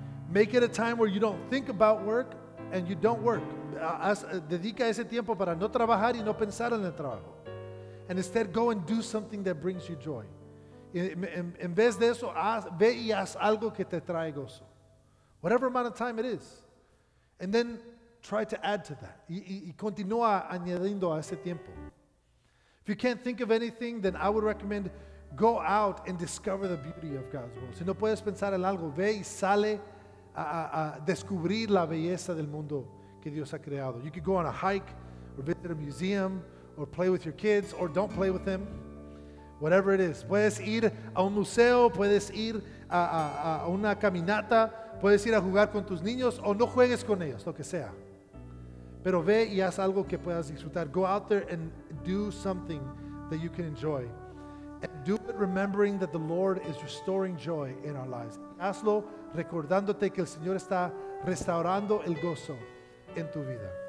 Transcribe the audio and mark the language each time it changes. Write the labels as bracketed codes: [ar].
[en] Make it a time where you don't think about work and you don't work. [es] Dedica ese tiempo para no trabajar y no pensar en el trabajo. [en] And instead, go and do something that brings you joy. [es] En vez de eso, ve y haz algo que te trae gozo. [en] Whatever amount of time it is. And then try to add to that. [es] Y continúa añadiendo a ese tiempo. [en] If you can't think of anything, then I would recommend go out and discover the beauty of God's world. [es] Si no puedes pensar en algo, ve y sale a descubrir la belleza del mundo que Dios ha creado. [en] You could go on a hike, or visit a museum, or play with your kids, or don't play with them. Whatever it is. [es] Puedes ir a un museo, puedes ir a una caminata, puedes ir a jugar con tus niños, o no juegues con ellos, lo que sea. Pero ve y haz algo que puedas disfrutar. [en] Go out there and do something that you can enjoy. And do it remembering that the Lord is restoring joy in our lives. [es] Hazlo recordándote que el Señor está restaurando el gozo en tu vida.